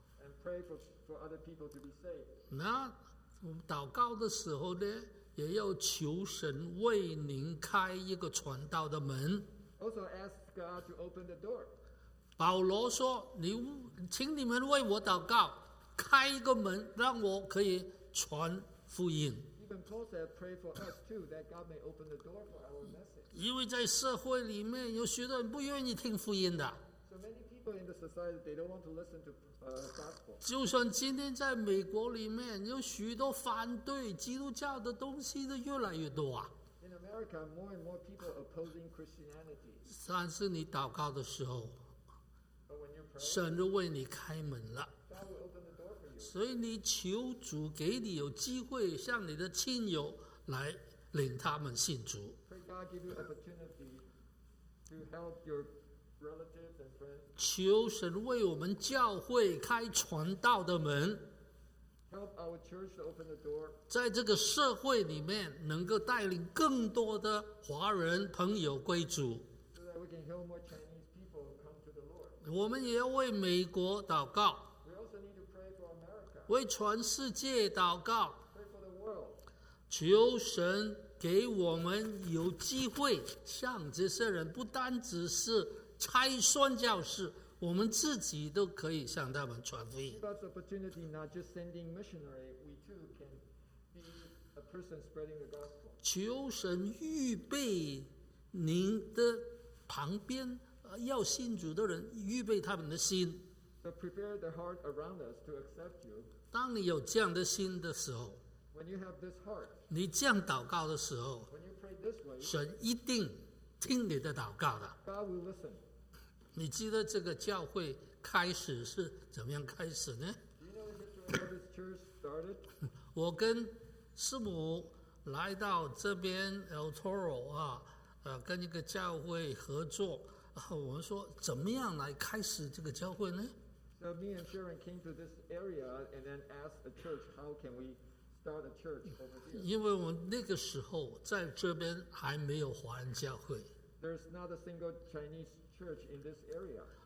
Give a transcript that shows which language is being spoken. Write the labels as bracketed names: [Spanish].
[English] And pray for other people to be saved. [Chinese] 那祷告的时候呢，也要求神为您开一个传道的门。 [English] Also ask God to open the door. [Chinese] 保罗说，请你们为我祷告，开一个门，让我可以传福音。 [English] Even Paul said, pray for us too, that God may open the door for our message. [Chinese] 因为在社会里面，有许多人不愿意听福音的。 [English] In the society, they don't want to listen to gospel. [Chinese] 就算今天在美国里面，有许多反对基督教的东西都越来越多啊。 [English] In America, more and more people opposing Christianity. [Chinese] 但是你祷告的时候， [English] pray, [Chinese] 神就为你开门了。 [English] God will open the door for you. [Chinese] 所以你求主给你有机会向你的亲友来领他们信主。 [English] Pray God give you opportunity to help your relatives and friends. [Chinese] 求神为我们教会开传道的门。 [English] Help our church to open the door. [Chinese] 在这个社会里面，能够带领更多的华人朋友归主。 [English] So that we can help more Chinese people come to the Lord. [Chinese] 我们也要为美国祷告。 [English] We also need to pray for America. [Chinese] 为全世界祷告。 [English] Pray for the world. [Chinese] 求神给我们有机会向这些人，不单只是拆宣教士，我们自己都可以向他们传福音。 [English] Give us opportunity, not just sending missionary. We too can be a person spreading the gospel. [Chinese] 求神预备您的旁边要信主的人预备他们的心。 [English] So prepare the heart around us to accept you. [Chinese] 当你有这样的心的时候， [English] when you have this heart, [Chinese] 你这样祷告的时候， [English] when you pray this way, [Chinese] 神一定听你的祷告的。 [English] God will listen. [Chinese] 你记得这个教会开始是怎么样开始呢？ [English] Do you know the history of this church started? [Chinese] 我跟师母来到这边 El Toro 啊，跟一个教会合作。我们说怎么样来开始这个教会呢？ [English] So me and Sharon came to this area and then asked the church how can we start a church over here. [Chinese] 因为我那个时候在这边还没有华人教会。 [English] There's not a single Chinese church in this area.